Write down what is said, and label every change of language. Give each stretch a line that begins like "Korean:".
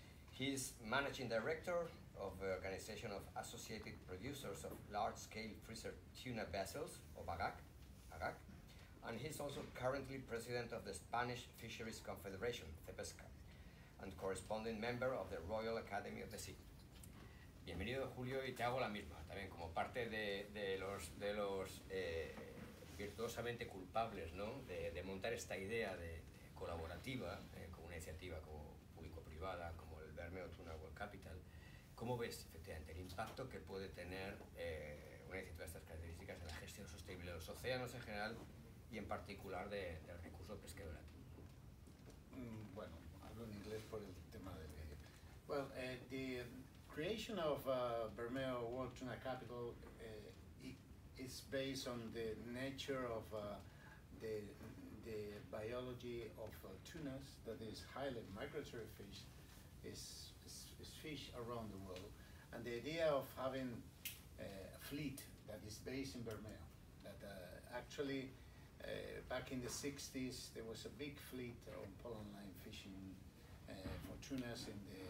English: He's managing director of the Organization of Associated Producers of Large-Scale Freezer Tuna Vessels, of AGAC, and he's also currently president of the Spanish Fisheries Confederation, CEPESCA, and corresponding member of the Royal Academy of the Sea.
Spanish: Bienvenido, Julio, y te hago la misma, también como parte de los virtuosamente culpables, ¿no? De montar esta idea de colaborativa con una iniciativa como público-privada, como el Bermeo Tuna World Capital. ¿Cómo ves efectivamente el impacto que puede tener una iniciativa de estas características en la gestión sostenible de los océanos en general y en particular del recurso pesquero nativo? Bueno, hablo en inglés por el tema del
English: well, the creation of Bermeo World Tuna Capital is based on the nature of the biology of tunas, that is highly migratory fish, is fish around the world, and the idea of having a fleet that is based in Bermeo, that actually back in the 60s there was a big fleet on Poland Line fishing for tunas in